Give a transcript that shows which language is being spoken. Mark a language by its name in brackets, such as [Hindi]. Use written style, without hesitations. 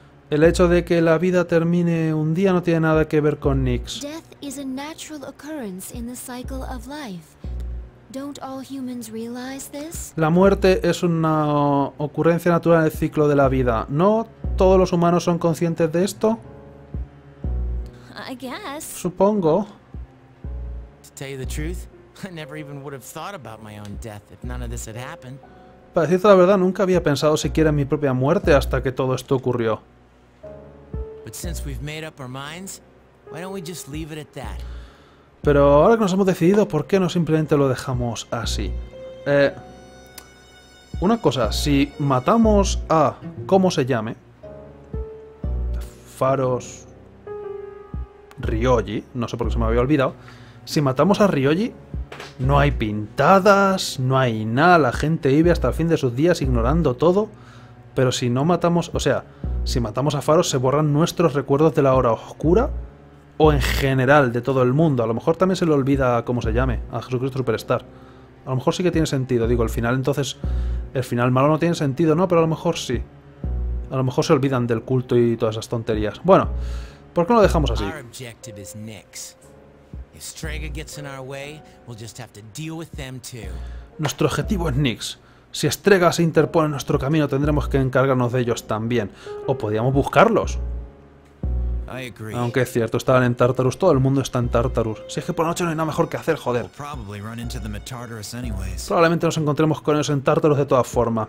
[Spanish] El hecho de que la vida termine un día no tiene nada que ver con Nyx. [English] Death is a natural occurrence in the cycle of life. Don't all humans realize this? [Spanish] La muerte es una ocurrencia natural en el ciclo de la vida. ¿No todos los humanos son conscientes de esto? [English] I guess. [Spanish] Supongo. [English] To tell you the truth, I never even would have thought about my own death if none of this had happened. [Spanish] Para decirte la verdad, nunca había pensado siquiera en mi propia muerte hasta que todo esto ocurrió. [English] But since we've made up our minds, why don't we just leave it at that? [Spanish] Pero ahora que nos hemos decidido, ¿por qué no simplemente lo dejamos así? Una cosa, si matamos a... ¿cómo se llame? Faros... Ryoji, no sé por qué se me había olvidado. Si matamos a Ryoji, no hay pintadas, no hay nada, la gente vive hasta el fin de sus días ignorando todo. Pero si no matamos... o sea, si matamos a Faros, se borran nuestros recuerdos de la hora oscura. O en general, de todo el mundo. A lo mejor también se le olvida cómo se llame, a Jesucristo Superstar. A lo mejor sí que tiene sentido. Digo, el final entonces... el final malo no tiene sentido, ¿no? Pero a lo mejor sí. A lo mejor se olvidan del culto y todas esas tonterías. Bueno, ¿por qué no lo dejamos así? Nuestro objetivo es Nyx. Si [English] Strega gets in our way, we'll just have to deal with them too. [Spanish] Nuestro objetivo es Nyx. Si Strega se interpone en nuestro camino, tendremos que encargarnos de ellos también. O podríamos buscarlos. Aunque es cierto, estaban en Tartarus. Todo el mundo está en Tartarus. Si es que por la noche no hay nada mejor que hacer, joder. Probablemente nos encontremos con ellos en Tartarus de todas formas.